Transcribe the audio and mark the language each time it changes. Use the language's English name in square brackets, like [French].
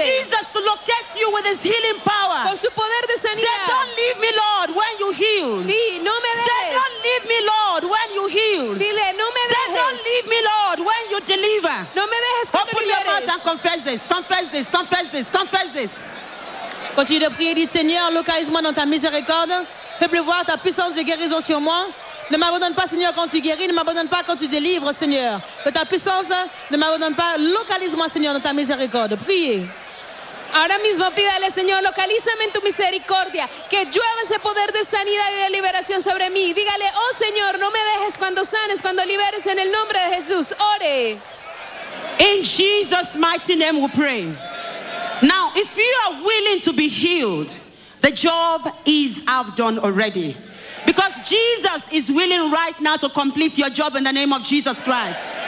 [English] Ask Jesus to locate you with his healing power. [Spanish] Con su poder de sanidad. [English] Say, don't leave me, Lord, when you heal. [Spanish] Sí, no me dejes. [English] Say, don't leave me, Lord, when you heal. [Spanish] Dile, no me dejes. [English] Say, don't leave me, Lord, when you deliver. [Spanish] No me dejes cuando [English] open [Spanish] liberes. [English] Your mouth and confess this. Confess this. Confess this. Confess this. [French] Continue de prier, dit Seigneur, localise-moi dans ta miséricorde. Fais-le voir ta puissance de guérison sur moi. Ne m'abandonne pas, Seigneur, quand tu guéris. Ne m'abandonne pas quand tu délivres, Seigneur. Que ta puissance ne m'abandonne pas. Localise-moi, Seigneur, dans ta miséricorde. Priez. [Spanish] Ahora mismo pídale, Señor, localízame en tu misericordia, que llueva ese poder de sanidad y de liberación sobre mí. Dígale, oh Señor, no me dejes cuando sanes, cuando liberes en el nombre de Jesús. Ore. [English] In Jesus' mighty name we pray. Now, if you are willing to be healed, the job is half done already. Because Jesus is willing right now to complete your job in the name of Jesus Christ.